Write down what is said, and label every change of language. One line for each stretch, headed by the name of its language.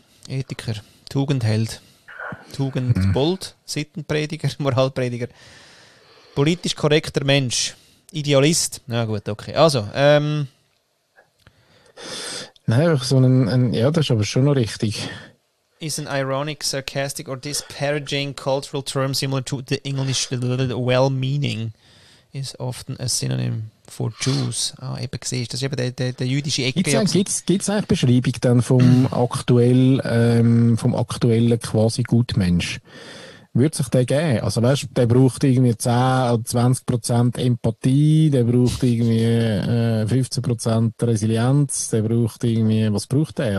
German: Ethiker, Tugendheld. Tugendbold, Sittenprediger, Moralprediger. Politisch korrekter Mensch. Idealist. Na gut, okay. Also, Nein, so ein, ja, das ist aber schon noch richtig.
English: Is an ironic, sarcastic or disparaging cultural term similar to the English well-meaning is often a synonym for Jews.
German: Ah, eben siehst du, das ist eben der jüdische Ecke. Gibt es eigentlich Beschreibung dann vom aktuellen quasi Gutmensch? würde sich der geben. Also weißt, der braucht irgendwie 10-20% Empathie, der braucht irgendwie 15% Resilienz, der braucht irgendwie, was braucht der?